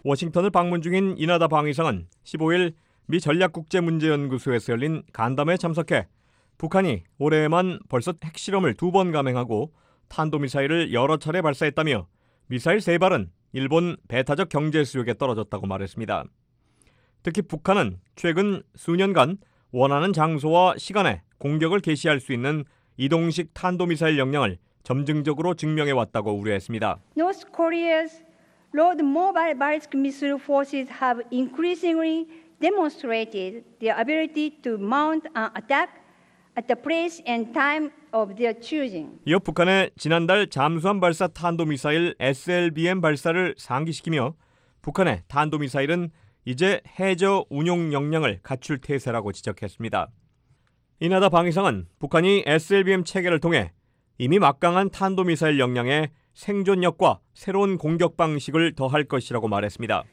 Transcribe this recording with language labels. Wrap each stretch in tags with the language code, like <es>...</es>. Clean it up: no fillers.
<ko>워싱턴을 방문 중인 이나다 방위상은 15일 미 전략국제문제연구소에서 열린 간담회에 참석해 북한이 올해에만 벌써 핵실험을 두 번 감행하고 탄도미사일을 여러 차례 발사했다며 미사일 세 발은 일본 배타적 경제 수역에 떨어졌다고 말했습니다. 특히 북한은 최근 수년간 원하는 장소와 시간에 공격을 개시할 수 있는 이동식 탄도미사일 역량을 점증적으로 증명해왔다고 우려했습니다.</ko> <en>North Korea's road mobile ballistic missile forces have increasingly demonstrated their ability to mount an attack at the place and time of their choosing.</en> <ko>이어 북한의 지난달 잠수함 발사 탄도미사일 SLBM 발사를 상기시키며 북한의 탄도미사일은 이제 해저 운용 역량을 갖출 태세라고 지적했습니다. 이나다 방위상은 북한이 SLBM 체계를 통해 이미 막강한 탄도미사일 역량에 생존력과 새로운 공격 방식을 더할 것이라고 말했습니다.</ko>